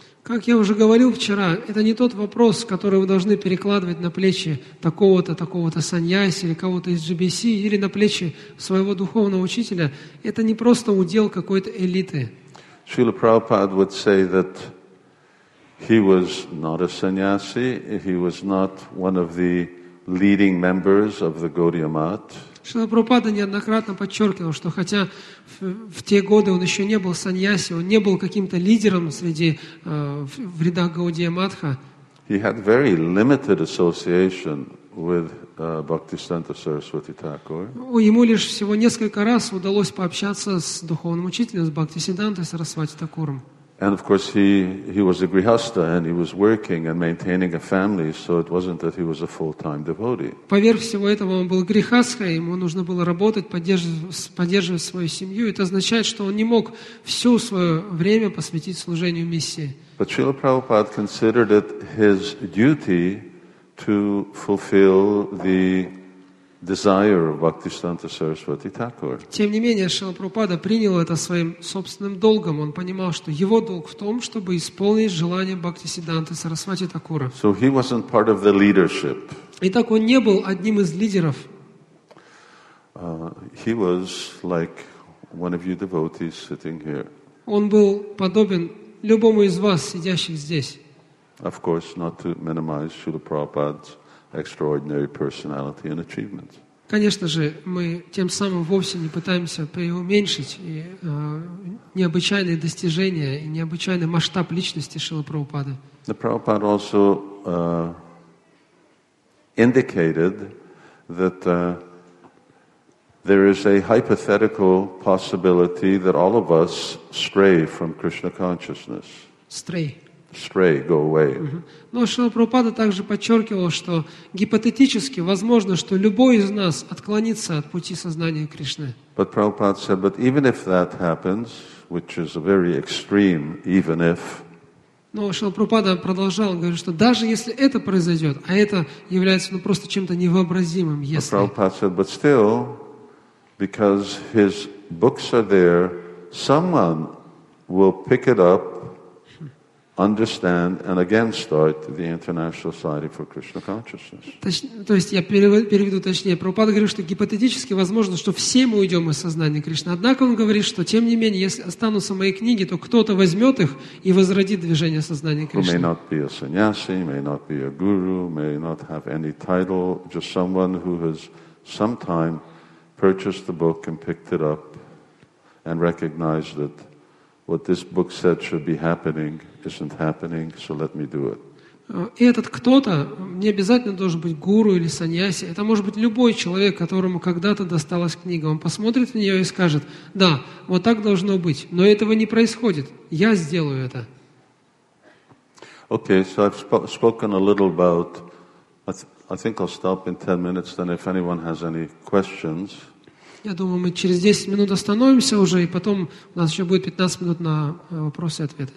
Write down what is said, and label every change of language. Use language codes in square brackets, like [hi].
[ru] Как я уже говорил вчера, это не тот вопрос, который вы должны перекладывать на плечи такого-то саньяси или кого-то из GBC, или на плечи своего духовного учителя. Это не просто удел какой-то элиты. [en] Srila Prabhupada would say that he was not a sannyasi, he was not one of the leading members of the Gaudiya Math. [ru] Шрила Прабхупада неоднократно подчеркивал, что хотя в те годы он еще не был саньяси, он не был каким-то лидером среди в рядах Гаудия Матха. [en] He had very limited association with Bhaktisiddhanta Saraswati Thakur. [ru] Ему лишь всего несколько раз удалось пообщаться с духовным учителем, с Бхактисиддхантой Сарасвати Такуром. [en] And of course he was a grihastha and he was working and maintaining a family, so it wasn't that he was a full-time devotee. [ru] Поверх всего этого он был грихастха, ему нужно было работать, поддерживать свою семью. Это означает, что он не мог все свое время посвятить служению миссии. [en] But Srila Prabhupada considered it his duty to fulfill the desire of Bhaktisiddhanta Saraswati Thakur. [ru] Тем не менее, Шрила Прабхупада принял это своим собственным долгом. Он понимал, что его долг в том, чтобы исполнить желание Бхактисиддханты Сарасвати Такура. [en] So he wasn't part of the leadership. [ru] Итак, он не был одним из лидеров. [en] He was like one of you devotees sitting here. [ru] Он был подобен любому из вас, сидящих здесь. [en] Of course, not to minimize Srila Prabhupada's extraordinary personality and achievements. [ru] Конечно же, мы тем самым вовсе не пытаемся преуменьшить необычайные достижения и необычайный масштаб личности Шрилы Прабхупады. [en] The Prabhupada also indicated that there is a hypothetical possibility that all of us stray from Krishna consciousness. Stray, go away. [ru] Но Шрила Прабхупада также подчеркивал, что гипотетически возможно, что любой из нас отклонится от пути сознания Кришны. [en] But Prabhupada said, but even if that happens, which is a very extreme, even if. [ru] Но Шрила Прабхупада продолжал, он говорит, что даже если это произойдет, а это является просто чем-то невообразимым, если. [en] But Prabhupada said, but still, because his books are there, someone will pick it up, understand and again start the International Society for Krishna Consciousness. [ru] То есть я переведу точнее. Прабхупада говорит, что гипотетически возможно, что все мы уйдем из сознания Кришны. Однако он говорит, что тем не менее, если останутся мои книги, то кто-то возьмет их и возродит движение сознания Кришны. [en] May not be a sannyasi, may not be a guru, may not have any title, just someone who has sometime purchased the book and picked it up and recognized that what this book said should be happening isn't happening, so let me do it. [ru] И этот кто-то не обязательно должен быть гуру или саньяси. Это может быть любой человек, которому когда-то досталась книга. Он посмотрит на нее и скажет, да, вот так должно быть. Но этого не происходит. Я сделаю это. [en] Okay, so I've spoken a little about... I think I'll stop in 10 minutes, then if anyone has any questions... [ru] Я думаю, мы через 10 минут остановимся уже, и потом у нас еще будет 15 минут на вопросы и ответы.